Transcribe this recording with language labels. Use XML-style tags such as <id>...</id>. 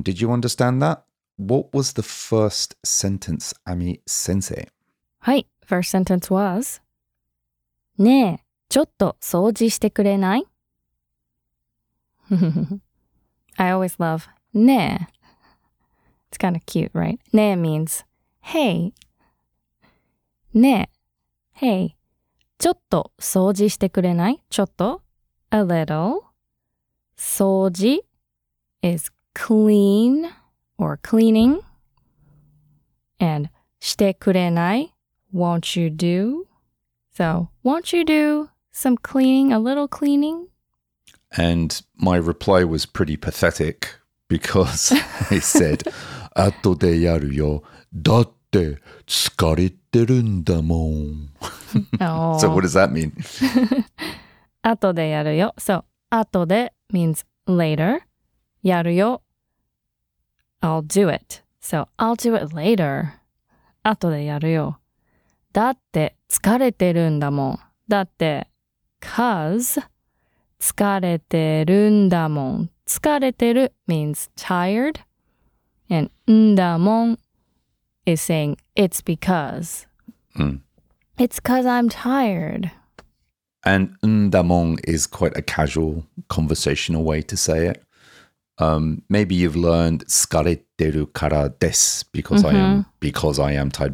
<en>Did you understand that? What was the first sentence, Ami sensei? はい。First sentence was...</en> <ja>ねえ、ちょっと掃除してくれない?</ja> <en>I always love ねえ。 It's kind of cute, right? ねえ means, hey. ねえ、hey.</en> <ja>ちょっと掃除してくれない? ちょっと?</ja> <en>A little.</en> <ja>掃除</ja> <en>is clean or cleaning. And</en> <ja>してくれない?</ja> <en>Won't you do? So, won't you do some cleaning, a little cleaning? And my reply was pretty pathetic because I said,</en> <ja>後でやるよ。だって疲れてるんだもん。</ja> <en>So what does that mean?</en> <ja>後でやるよ。</ja> <en>So 後で means later.</en> <ja>やるよ。</ja> <en>I'll do it. So I'll do it later.</en> <ja>後でやるよ。だって疲れてるんだもん。だって cause 疲れてるんだもん。疲れてる</ja> <en>means tired. And んだもん is saying it's because. It's because I'm tired. And ndamong is quite a casual conversational way to say it. Maybe you've learned skareteru kara desu, because I am tired.</en>